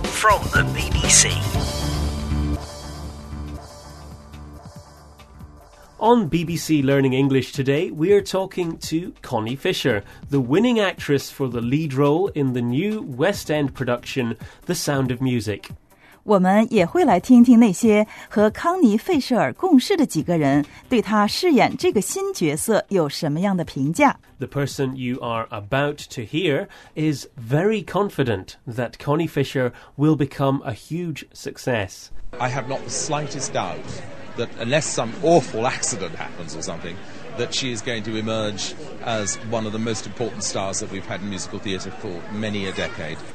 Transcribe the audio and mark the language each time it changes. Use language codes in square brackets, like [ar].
[en] From the BBC. On BBC Learning English today, we are talking to Connie Fisher, the winning actress for the lead role in the new West End production, The Sound of Music. [zh] 我们也会来听听那些和康妮·费舍尔共事的几个人对她饰演这个新角色有什么样的评价。 [en] The person you are about to hear is very confident that Connie Fisher will become a huge success. I have not the slightest doubt that unless some awful accident happens or something, that she is going to emerge as one of the most important stars that we've had in musical theatre for many a decade.